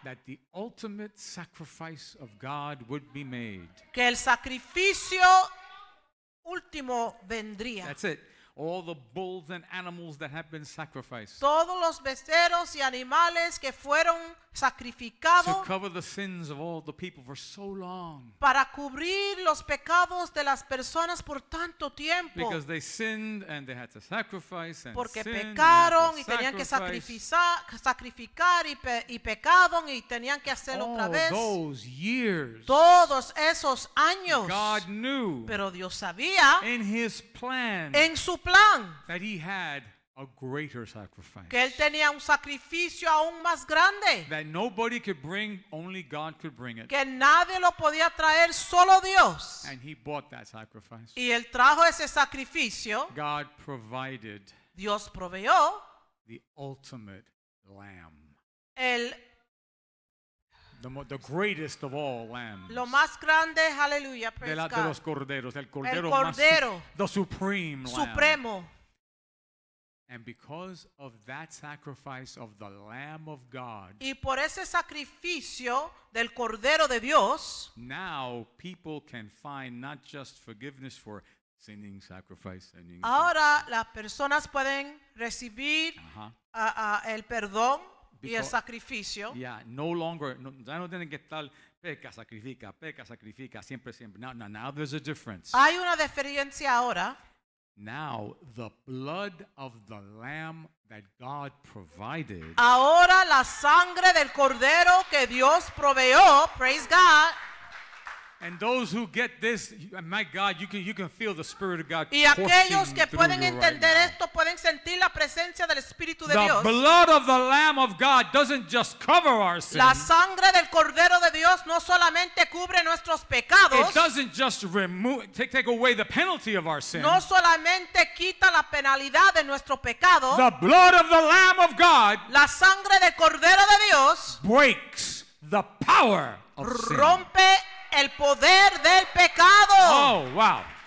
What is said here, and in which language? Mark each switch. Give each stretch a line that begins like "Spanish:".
English: that the ultimate sacrifice of God would be made.
Spanish: Que el sacrificio último vendría.
English: That's it. All the bulls and animals that have been sacrificed.
Spanish: Todos los becerros y animales que fueron sacrificado
English: to cover the sins of all the people for so long.
Spanish: Para cubrir los pecados de las personas por tanto tiempo.
English: Because they sinned and they had to sacrifice and
Spanish: porque
English: sin
Spanish: pecaron
English: and
Spanish: y tenían que sacrificar y pecaron y tenían que hacerlo
English: all
Spanish: otra vez.
English: Those years,
Spanish: todos esos años.
English: God knew,
Spanish: pero Dios sabía
English: in his plan,
Spanish: en su plan
English: that he had a greater sacrifice.
Spanish: Que él tenía un sacrificio aún más grande.
English: That nobody could bring, only God could bring it.
Spanish: Que nadie lo podía traer, solo Dios.
English: And he bought that sacrifice.
Spanish: Y él trajo ese sacrificio.
English: God provided.
Spanish: Dios proveyó.
English: The ultimate lamb.
Spanish: El
English: the greatest of all lambs.
Spanish: Lo más grande, hallelujah, praise de la,
English: God.
Spanish: De los corderos, el cordero, el cordero
English: más, the supreme lamb.
Spanish: Supremo.
English: And because of that sacrifice of the Lamb of God,
Spanish: y por ese sacrificio del Cordero de Dios,
English: now people can find not just forgiveness for sinning sacrifice. Sinning
Spanish: ahora
English: sacrifice.
Spanish: Las personas pueden recibir el perdón
English: because,
Spanish: y el sacrificio.
English: Yeah, no longer, no,
Spanish: ya no tienen que estar peca, sacrifica, siempre, siempre.
English: Now there's a difference.
Spanish: Hay una diferencia ahora.
English: Now the blood of the lamb that God provided.
Spanish: Ahora la sangre del cordero que Dios proveyó,
English: praise God. And those who get this, my God, you can feel the Spirit of God.
Spanish: Y aquellos que pueden entender
English: right
Spanish: esto pueden sentir la presencia del Espíritu de
English: the
Spanish: Dios.
English: The blood of the Lamb of God doesn't just cover our sins.
Spanish: La sangre del cordero de Dios no solamente cubre nuestros pecados.
English: It doesn't just take away the penalty of our sins.
Spanish: No solamente quita la penalidad de nuestro pecado.
English: The blood of the Lamb of God.
Spanish: La sangre del cordero de Dios
English: breaks the power of
Spanish: rompe
English: sin.
Spanish: El poder del pecado.
English: Oh, wow.